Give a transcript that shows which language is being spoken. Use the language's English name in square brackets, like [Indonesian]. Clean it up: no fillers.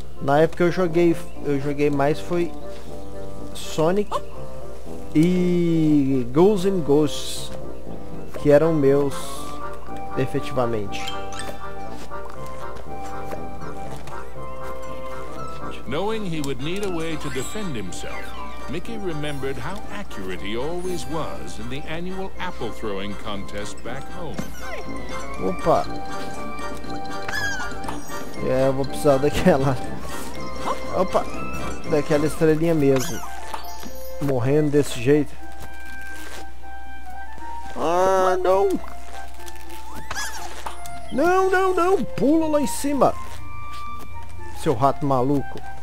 [Portuguese] Na época que eu joguei mais foi Sonic e Ghouls and Ghosts, que eram meus efetivamente. [English] Knowing he would need a way to defend himself, Mickey remembered how accurate he always was in the annual apple throwing contest back home. [Portuguese] Opa! É, eu vou precisar daquela. Opa! Daquela estrelinha mesmo. Morrendo desse jeito. Ah, não! Não, não, não! Pula lá em cima! Seu rato maluco.